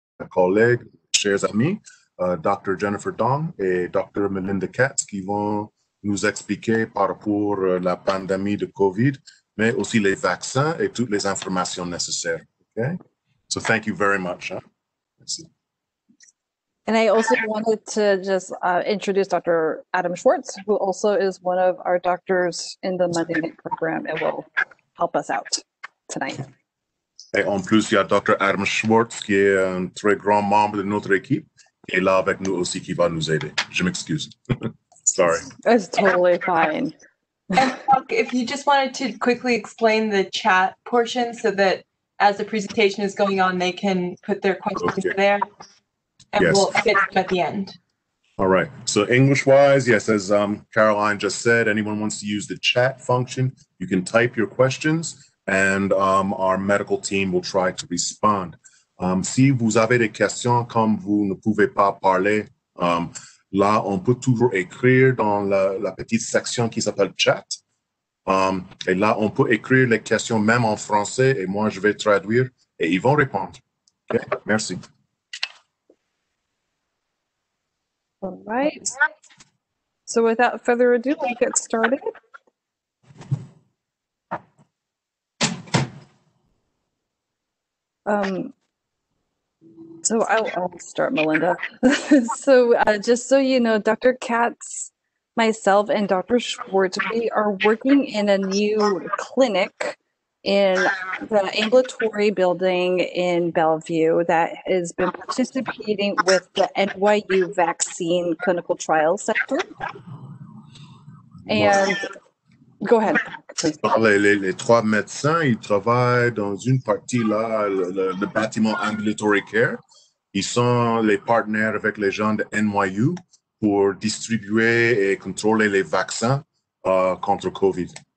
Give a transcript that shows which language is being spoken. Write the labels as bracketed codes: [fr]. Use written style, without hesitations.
[fr] collègues, chers amis, Dr Jennifer Dong et Dr Melinda Katz qui vont nous expliquer par rapport à la pandémie de COVID, mais aussi les vaccins et toutes les informations nécessaires. [en] Okay? So thank you very much. Merci. And I also wanted to just introduce Dr. Adam Schwartz, who also is one of our doctors in the Monday night program and will help us out tonight. [fr] Et en plus, il y a Dr. Adam Schwartz, qui est un très grand membre de notre équipe, qui est là avec nous aussi, qui va nous aider. Je m'excuse. [en] Sorry. It's totally fine. And if you just wanted to quickly explain the chat portion so that as the presentation is going on, they can put their questions okay. there. And yes. we'll get them at the end. All right. So English-wise, yes, as Caroline just said, anyone wants to use the chat function, you can type your questions and our medical team will try to respond. [fr] Si vous avez des questions, comme vous ne pouvez pas parler, là, on peut toujours écrire dans la petite section qui s'appelle chat. Et là, on peut écrire les questions même en français et moi, je vais traduire et ils vont répondre. Okay? Merci. [en] All right. So without further ado, let's get started. So I'll start, Melinda. So just so you know, Dr. Katz, myself, and Dr. Schwartz, we are working in a new clinic in the ambulatory building in Bellevue that has been participating with the NYU Vaccine Clinical Trial Center. And go ahead. [fr] Les trois médecins, ils travaillent dans une partie là, le bâtiment ambulatory care. Ils sont les partenaires avec les gens de NYU pour distribuer et contrôler les vaccins contre COVID.